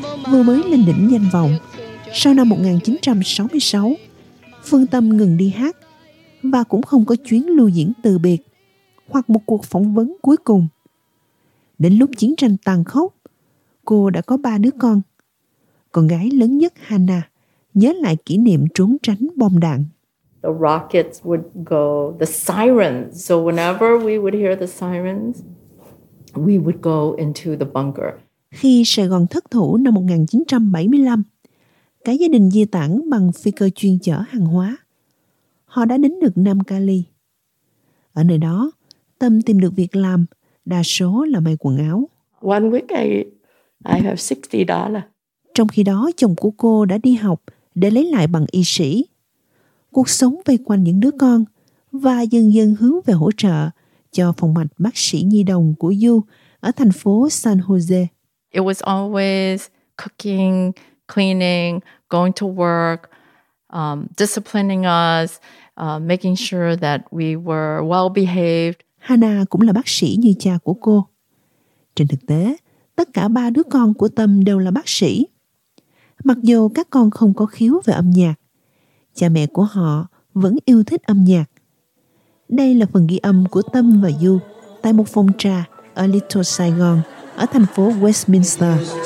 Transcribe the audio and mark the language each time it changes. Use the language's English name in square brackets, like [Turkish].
[Vietnamese] Vừa mới lên đỉnh danh vọng, sau năm 1966, Phương Tâm ngừng đi hát và cũng không có chuyến lưu diễn từ biệt hoặc một cuộc phỏng vấn cuối cùng. Đến lúc chiến tranh tàn khốc, cô đã có 3 đứa con. Con gái lớn nhất Hannah nhớ lại kỷ niệm trốn tránh bom đạn. [English] The rockets would go, the sirens. So whenever we would hear the sirens, we would go into the bunker. [Vietnamese] Khi Sài Gòn thất thủ năm 1975, cả gia đình di tản bằng phi cơ chuyên chở hàng hóa. Họ đã đến được Nam Cali. Ở nơi đó, Tâm tìm được việc làm, đa số là may quần áo. [English] One week I have $60. [Vietnamese] Trong khi đó, chồng của cô đã đi học để lấy lại bằng y sĩ. Cuộc sống vây quanh những đứa con và dần dần hướng về hỗ trợ cho phòng mạch bác sĩ nhi đồng của Du ở thành phố San Jose. [English] It was always cooking, cleaning, going to work, disciplining us, making sure that we were well behaved. [Vietnamese] Hannah cũng là bác sĩ như cha của cô. Trên thực tế, tất cả 3 đứa con của Tâm đều là bác sĩ. Mặc dù các con không có khiếu về âm nhạc, cha mẹ của họ vẫn yêu thích âm nhạc. Đây là phần ghi âm của Tâm và Du tại một phòng trà ở Little Saigon, ở thành phố Westminster.